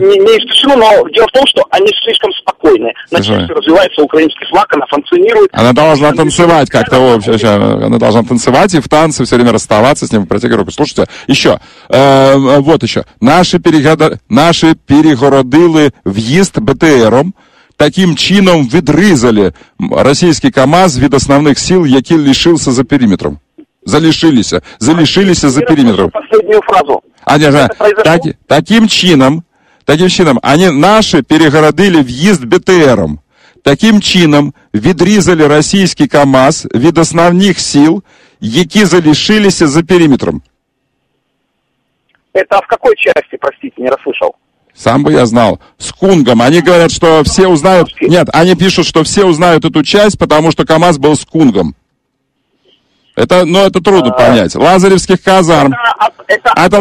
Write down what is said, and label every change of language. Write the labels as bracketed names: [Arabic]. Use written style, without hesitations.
[Russian] Не исключено, но дело в том, что они слишком спокойны. На части развивается украинский флаг, она функционирует. Она должна танцевать как-то вообще. Она должна танцевать и в танце все время расставаться с ним, протягивая руку. Слушайте, еще, вот еще. Наши перегородили въезд БТРом. [Ukrainian] Таким чином відрізали російський КАМАЗ від основних сил, які лишилися за периметром. Залишилися за периметром. [Russian] Последнюю фразу. [Ukrainian] Таким чином, вони наші перегородили в'їзд БТРом. Таким чином відрізали російський КАМАЗ від основних сил, які залишилися за периметром. [Russian] Это в какой части, простите, не расслышал? Сам бы я знал. С Кунгом. Они говорят, что все узнают... Нет, они пишут, что все узнают эту часть, потому что КАМАЗ был с Кунгом. Это, ну, это трудно понять. Лазаревских казарм. Это